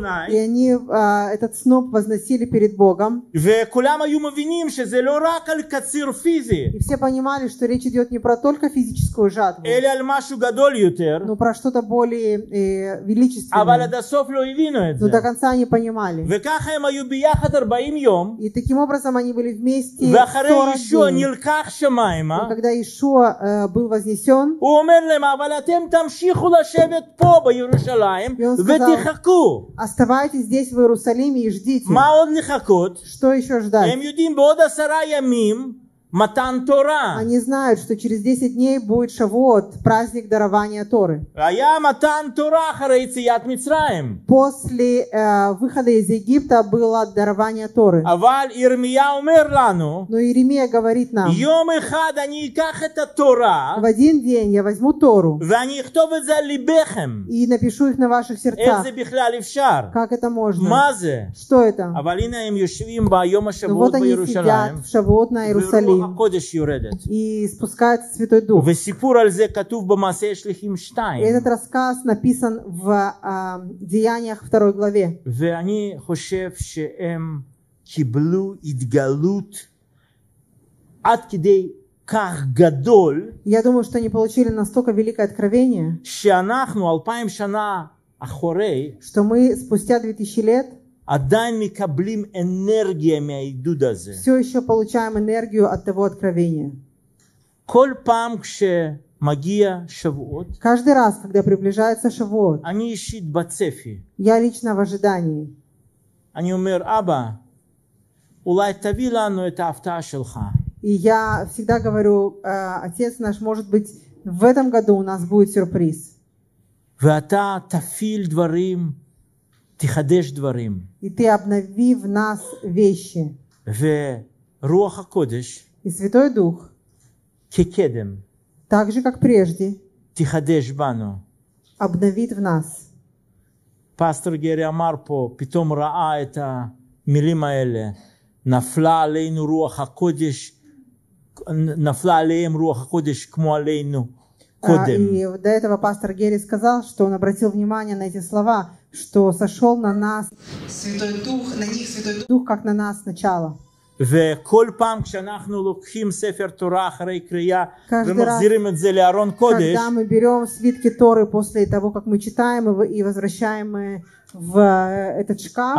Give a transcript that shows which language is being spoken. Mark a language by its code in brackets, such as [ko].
[ru] И они этот сноп возносили перед Богом. И все понимали, что речь идет не про только физическую жатву, но про что-то более величественное. Но до конца они понимали. И таким образом они были вместе 40 дней. И когда Иешуа был вознесен. [he] הוא אומר להם, אבל אתם תמשיכו לשבת פה בירושלים ותחכו. [ru] Оставайтесь здесь в Иерусалиме и ждите. [he] מה עוד לחכות? [ru] Что еще ждать? [he] הם יודעים בעוד 10 ימים מתן תורה. [ru] Они знают, что через 10 дней будет Шавуот, праздник дарования Торы. [he] היה מתן תורה אחרי יציאת מצרים. [ru] После выхода из Египта было дарование Торы. [he] אבל ירמיה אומר לנו. [ru] Но Иеремия говорит нам. [he] יום אחד אני אקח את התורה. [ru] В один день я возьму Тору. [he] ואני אכתוב את זה על ליבכם. [ru] И напишу их на ваших сердцах. [he] איך זה בכלל אפשר? [ru] Как это можно? [he] מה זה? [ru] Что это? [he] אבל הנה הם יושבים ביום השבועות בירושלים. [ru] Вот они сидят в Шавуот на Иерусалим. И спускается Святой Дух. [he] В сипур על זה כתוב במעשה שליחים 2. [ru] Этот рассказ написан в Деяниях 2 главе. [he] ואני חושב שהם קיבלו התגלות עד כדי כך גדול. [ru] Я думаю, что они получили настолько великое откровение, [he] שאנחנו 2000 שנה אחרי, [ru] что мы спустя 2000 лет [he] עדיין מקבלים אנרגיה מהעידוד הזה. [ru] Все еще получаем энергию от того откровения. [he] כל פעם כשמגיע שבועות, [ru] каждый раз, когда приближается Шавуот, [he] אני אישית בצפי. [ru] Я лично в ожидании. [he] אני אומר, אבא, אולי תביא לנו את ההפתעה שלך. [ru] И я всегда говорю, отец наш, может быть, в этом году у нас будет сюрприз. [he] ואתה תפעיל דברים, תחדש דברים. [ru] И ты обнови в нас вещи. [he] ורוח הקודש. [ru] И Святой Дух. [he] כקדם. [ru] Так же, как прежде. [he] תחדש בנו. [ru] Обновит в нас. [he] פסטור גרי אמר פה, פתאום ראה את המילים האלה. נפלה עלינו רוח הקודש. נפלה עליהם רוח הקודש כמו עלינו קודם. [ru] И до этого пастор Гери сказал, что он обратил внимание на эти слова, что сошел на нас Святой Дух, на них Святой Дух, Дух как на нас сначала. [he] וכל פעם כשאנחנו לוקחים ספר תורה אחרי קריאה ומחזירים את זה לארון קודש, [ru] когда мы берем свитки Торы после того, как мы читаем и возвращаем в этот шкаф,